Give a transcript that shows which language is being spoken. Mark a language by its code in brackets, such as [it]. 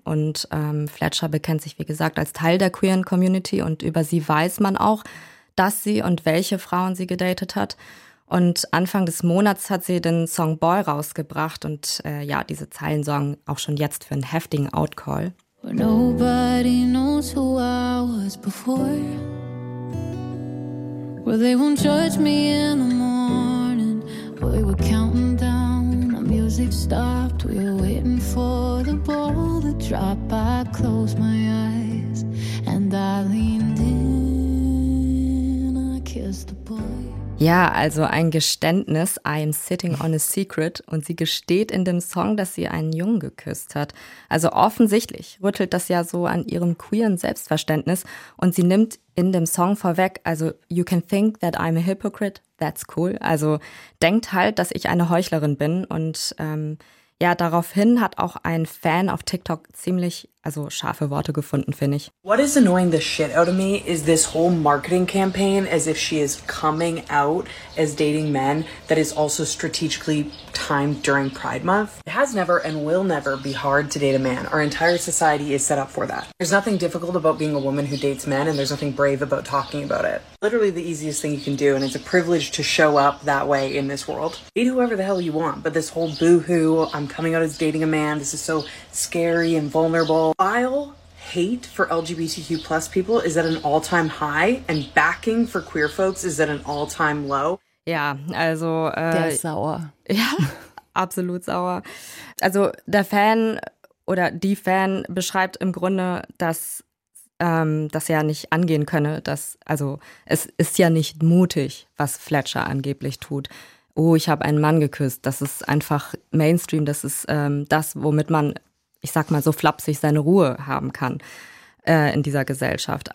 [de] Und Fletcher bekennt sich, wie gesagt, als Teil der queeren Community. Und über sie weiß man auch, dass sie und welche Frauen sie gedatet hat. Und Anfang des Monats hat sie den Song Boy rausgebracht. Und diese Zeilen sorgen auch schon jetzt für einen heftigen Outcall. [en] Nobody knows who I was before. Well, they won't judge me in the morning. We were counting down, the music stopped. We were waiting for the ball to drop. I closed my eyes and I leaned in. I kissed the boy. [de] Ja, also ein Geständnis. [en] I'm sitting on a secret. [de] Und sie gesteht in dem Song, dass sie einen Jungen geküsst hat. Also offensichtlich rüttelt das ja so an ihrem queeren Selbstverständnis. Und sie nimmt in dem Song vorweg, also [en] you can think that I'm a hypocrite, that's cool. [de] Also denkt halt, dass ich eine Heuchlerin bin. Und daraufhin hat auch ein Fan auf TikTok ziemlich, also scharfe Worte gefunden, finde ich. [en] What is annoying the shit out of me is this whole marketing campaign as if she is coming out as dating men that is also strategically timed during Pride Month. It has never and will never be hard to date a man. Our entire society is set up for that. There's nothing difficult about being a woman who dates men and there's nothing brave about talking about it. Literally the easiest thing you can do and it's a privilege to show up that way in this world. Date whoever the hell you want, but this whole boohoo, I'm coming out as dating a man, this is so scary and vulnerable. While hate for LGBTQ+ people is at an all-time high and backing for queer folks is at an all-time low. [de] Ja, also der ist sauer. Ja, absolut sauer. Also der Fan oder die Fan beschreibt im Grunde, dass das ja nicht angehen könne. Dass, also es ist ja nicht mutig, was Fletcher angeblich tut. oh, ich habe einen Mann geküsst. Das ist einfach Mainstream. Das ist das, womit man, ich sag mal so flapsig, seine Ruhe haben kann in dieser Gesellschaft.